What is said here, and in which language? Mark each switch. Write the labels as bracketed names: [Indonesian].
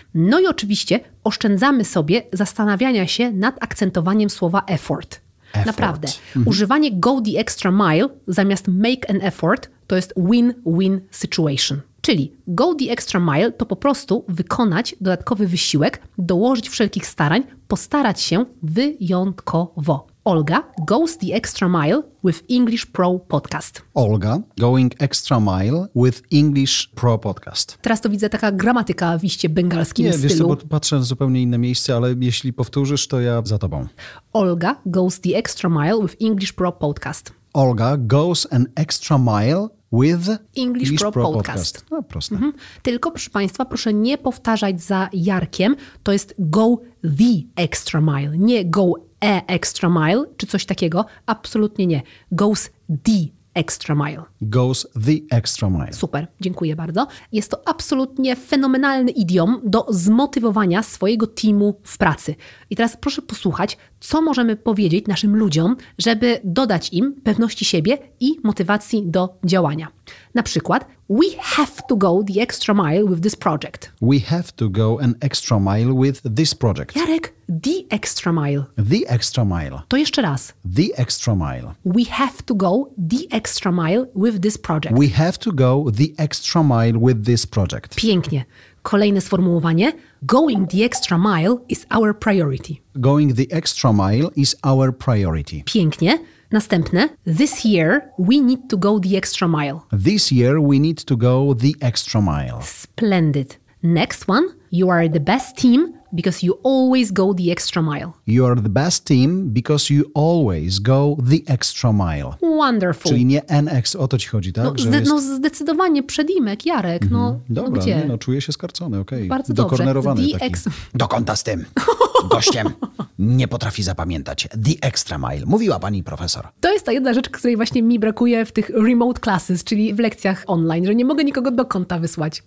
[Polish] No i oczywiście oszczędzamy sobie zastanawiania się nad akcentowaniem słowa effort. [English] Effort. [Polish] Naprawdę. Mm-hmm. Używanie [English] go the extra mile [Polish] zamiast [English] make an effort [Polish] to jest [English] win-win situation. [Polish] Czyli [English] go the extra mile [Polish] to po prostu wykonać dodatkowy wysiłek, dołożyć wszelkich starań, postarać się wyjątkowo. [English] Olga goes the extra mile with English Pro Podcast. Olga going extra mile with English Pro Podcast. [Polish] Teraz to widzę taka gramatyka w iście bengalskim stylu. Nie, wiesz co, bo patrzę na zupełnie inne miejsce, ale jeśli powtórzysz, to ja za tobą. [English] Olga goes the extra mile with English Pro Podcast. Olga goes an extra mile with English Pro Podcast. [Polish] No, proste. Mhm. Tylko, proszę Państwa, proszę nie powtarzać za Jarkiem. To jest [English] go the extra mile, [Polish] nie [English] go a extra mile, [Polish] czy coś takiego. Absolutnie nie. [English] Goes the extra mile. Goes the extra mile. [Polish] Super, dziękuję bardzo. Jest to absolutnie fenomenalny idiom do zmotywowania swojego teamu w pracy. I teraz proszę posłuchać, co możemy powiedzieć naszym ludziom, żeby dodać im pewności siebie i motywacji do działania. Na przykład, [English] we have to go the extra mile with this project. We have to go an extra mile with this project. Jarek, the extra mile. The extra mile. [Polish] To jeszcze raz. [English] The extra mile. We have to go the extra mile with this project. We have to go the extra mile with this project. [Polish] Pięknie. Kolejne sformułowanie. [English] Going the extra mile is our priority. Going the extra mile is our priority. [Polish] Pięknie. Następne. [English] This year we need to go the extra mile. This year we need to go the extra mile. Splendid. Next one. You are the best team because you always go the extra mile. You are the best team because you always go the extra mile. Wonderful. [Polish] Czyli nie NX, o to ci chodzi, tak? No, no zdecydowanie przedimek, Jarek. No, dobra, no, gdzie? Nie, no czuję się skarcony, okej. Okay. Bardzo dobrze. Dokornerowany taki. Do kąta z tym gościem. Nie potrafi zapamiętać. [English] The extra mile. [Polish] Mówiła pani profesor. To jest ta jedna rzecz, której właśnie mi brakuje w tych [English] remote classes, [Polish] czyli w lekcjach online, że nie mogę nikogo do kąta wysłać.